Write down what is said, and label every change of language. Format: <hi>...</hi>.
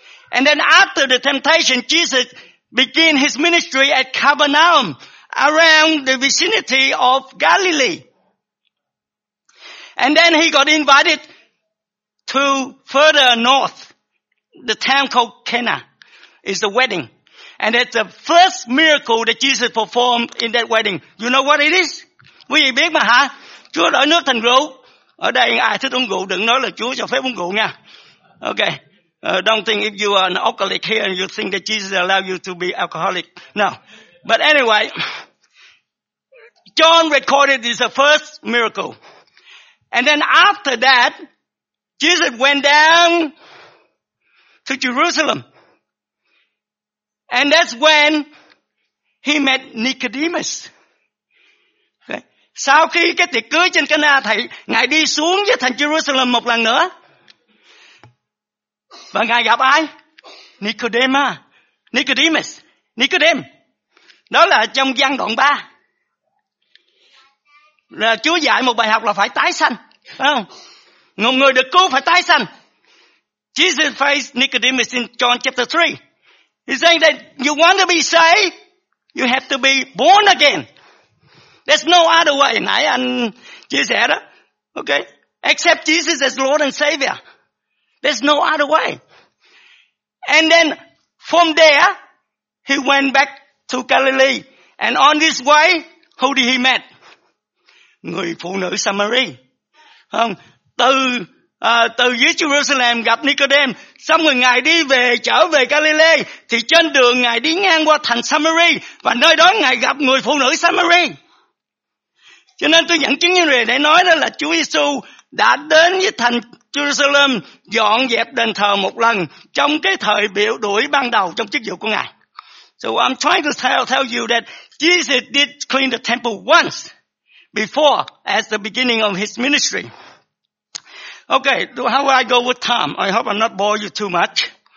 <en>And then after the temptation, Jesus began his ministry at Capernaum, around the vicinity of Galilee. And then he got invited to further north, the town called Cana, is the wedding. And that's the first miracle that Jesus performed in that wedding. You know what it is?</en> <vi>Quý vị biết mà hả? Chúa đổi nước thành rượu. Ở đây ai thích uống rượu đừng nói là Chúa cho phép uống rượu nha.</vi> <en>Okay. Don't think if you are an alcoholic here and you think that Jesus allowed you to be alcoholic. No. But anyway, John recorded this the first miracle. And then after that, Jesus went down to Jerusalem. And that's when He met Nicodemus. Okay.</en> <vi>Sau khi cái tiệc cưới trên Cana, thầy ngài đi xuống với thành Jerusalem một lần nữa. Và ngài gặp ai? Nicodemus. Đó là trong văn đoạn 3. Là Chúa dạy một bài học là phải tái sanh. Không? Một người được cứu phải tái sanh.</vi> <en>Jesus faced Nicodemus in John chapter 3. He's saying that you want to be saved, you have to be born again. There's no other way.</en> <vi>Nãy anh chia sẻ đó.</vi> <en>Okay? Accept Jesus as Lord and Savior. There's no other way. And then from there, he went back to Galilee. And on this way, who did he meet?</en> <vi>Người phụ nữ Samari. Từ dưới Jerusalem gặp Nicodem, xong rồi ngài đi về, trở về Galilee, thì trên đường ngài đi ngang qua thành Samari, và nơi đó ngài gặp người phụ nữ Samari. Cho nên tôi dẫn chứng như này để nói đó là Chúa Giêsu đã đến với thành Jerusalem dọn dẹp đền thờ một lần trong cái thời biểu đuổi ban đầu trong chức vụ của ngài.</vi> <en>So I'm trying to tell you that Jesus did clean the temple once before as the beginning of his ministry. Okay, how will I go with time? I hope I'm not bore you too much.</en>